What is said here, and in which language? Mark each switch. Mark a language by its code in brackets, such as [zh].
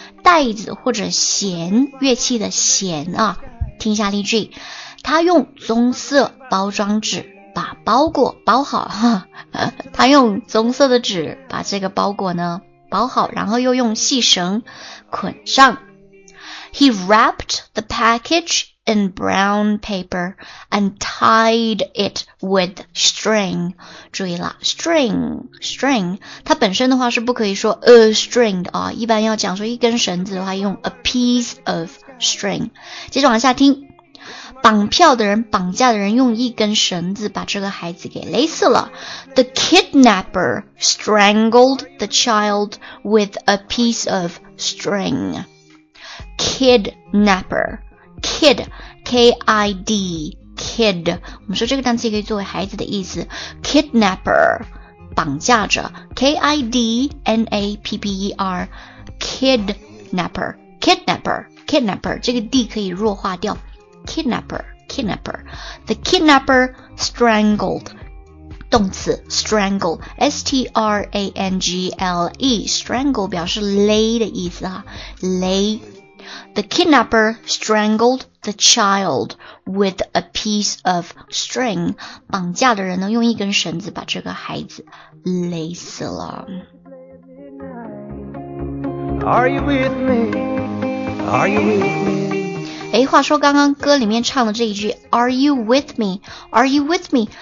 [zh] 袋子或者弦，乐器的弦啊。听一下例句，他用棕色包装纸把包裹包好，他用棕色的纸把这个包裹呢包好，然后又用细绳捆上。 [en] He wrapped the package in brown paper and tied it with string. [zh] 注意了 ,string,string, 它本身的话是不可以说 a string 的啊，一般要讲说一根绳子的话用 a piece of string. 接着往下听，绑票的人，绑架的人用一根绳子把这个孩子给勒死了。 [en] The kidnapper strangled the child with a piece of string. Kidnapper. Kid, [zh] K-I-D Kid， 我们说这个单词也可以作为孩子的意思。 Kidnapper 绑架者， K-I-D-N-A-P-P-E-R Kidnapper Kidnapper Kidnapper， 这个 D 可以弱化掉。 Kidnapper Kidnapper The kidnapper strangled，动词 strangle， S-T-R-A-N-G-L-E Strangle 表示勒的意思，勒。 [en] The kidnapper strangled the child with a piece of string. [zh] 绑架的人呢，用一根绳子把这个孩子勒死了。 [en] Are you with me? Are you with me? [zh] 哎，话说刚刚歌里面唱的这一句 Are you with me? Are you with me?